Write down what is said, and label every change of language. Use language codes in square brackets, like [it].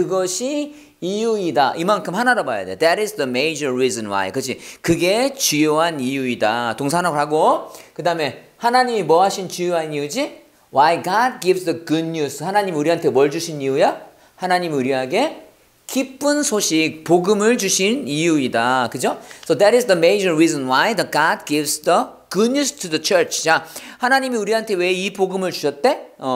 [ko] 그것이 이유이다. 이만큼 하나로 봐야 돼. [en] That is the major reason why. [ko] 그지? 그게 주요한 이유이다. 동사나 하고 그 다음에 하나님이 뭐 하신 주요한 이유지? [en] Why God gives the good news. [ko] 하나님 우리한테 뭘 주신 이유야? 하나님 우리에게 기쁜 소식, 복음을 주신 이유이다. 그죠? [en] So that is the major reason why the God gives the good news to the church. [ko] 자, 하나님이 우리한테 왜 이 복음을 주셨대?